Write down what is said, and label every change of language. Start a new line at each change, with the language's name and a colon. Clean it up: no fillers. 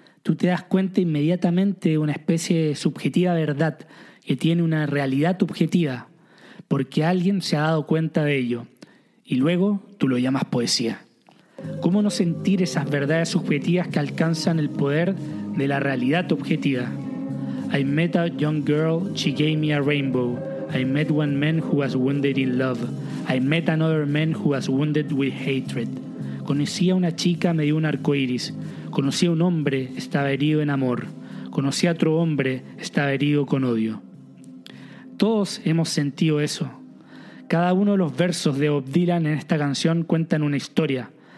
Spanish: Tú te das cuenta inmediatamente de una especie de subjetiva verdad que tiene una realidad objetiva, porque alguien se ha dado cuenta de ello. Y luego tú lo llamas poesía. ¿Cómo no sentir esas verdades subjetivas que alcanzan el poder de la realidad objetiva?
English: I met a young girl, she gave me a rainbow. I met one man who was wounded in love. I met another man who was wounded with hatred.
Spanish: Conocí a una chica, me dio un arco iris. Conocí a un hombre, estaba herido en amor. Conocí a otro hombre, estaba herido con odio. Todos hemos sentido eso. Cada uno de los versos de Bob Dylan en esta canción cuentan una historia.